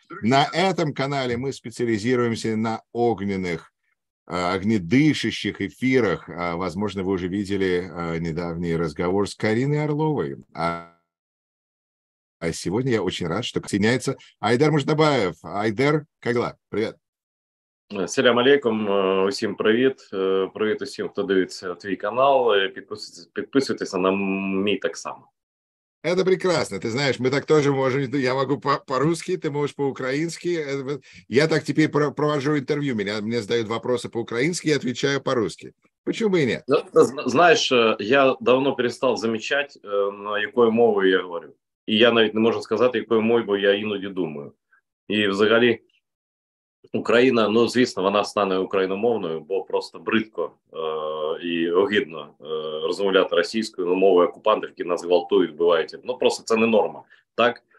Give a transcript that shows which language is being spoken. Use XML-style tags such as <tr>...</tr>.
<ru>На этом канале мы специализируемся на огненных, огнедышащих эфирах. Возможно, вы уже видели недавний разговор с Кариной Орловой. А сегодня я очень рад, что присоединяется Айдар Муждабаев. Айдар, как дела? Привет.</ru> <uk>Салям алейкум, усім привіт. Привіт усім, хто дивиться твій канал. Підписуйтесь на мій так само.</uk> <ru>Это прекрасно. Ты знаешь, мы так тоже можем. Я могу по-русски, ты можешь по-украински. Я так теперь провожу интервью. Мне задают вопросы по-украински, я отвечаю по-русски. Почему бы и нет? Знаешь, я давно перестал замечать, на</ru> <uk>якою мовою</uk> <ru>я говорю.</ru> <uk>І я навіть не можу сказати, якою мовою, бо я іноді думаю. І взагалі Україна, ну, звісно, вона стане україномовною, бо просто бридко і огидно розмовляти російською, ну, мовою окупантів, які нас гвалтують, вбивають. Ну, просто це не норма. Так?</uk>